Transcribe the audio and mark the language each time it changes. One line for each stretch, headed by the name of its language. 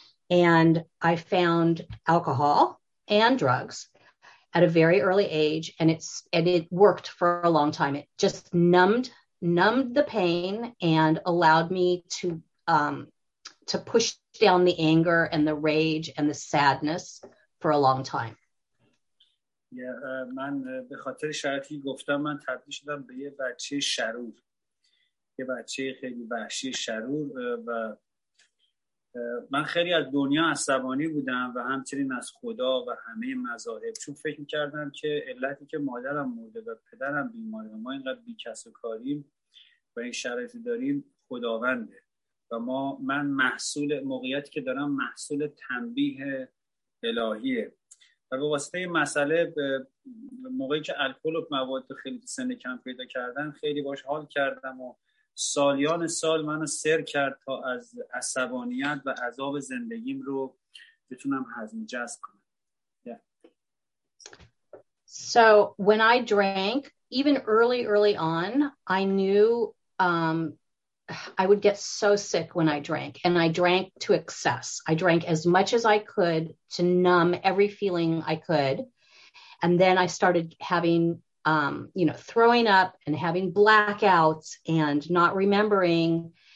English: And I found alcohol and drugs at a very early age, and it worked for a long time. It just numbed the pain and allowed me to push down the anger and the rage and the sadness for a long time. Yeah, man,
Persian: به خاطر شرایطی گفتم من تبدیل شدم به یه بچه شرور. یه بچه خیلی وحشی شرور و من خیلی از دنیا عصبانی بودم و همچنین از خدا و همه مذاهب، چون فکر می‌کردم که علتی که مادرم مرده و پدرم بیماره و ما اینقدر بی‌کس و کاریم و این شرایطی داریم خداونده و من محصول موقعیتی که دارم محصول تنبیه الهیه. و به واسطه مسئله موقعی که الکل و مواد خیلی سن کم پیدا کردن خیلی باش حال کردم و سالیان سال منو سر کرد تا از عصبانیت و عذاب زندگیم رو بتونم هضم جذب کنم.
English: So when I drank, even early on, I knew I would get so sick when I drank, and I drank to excess. I drank as much as I could to numb every feeling I could, and then I started having throwing up and having blackouts and not remembering.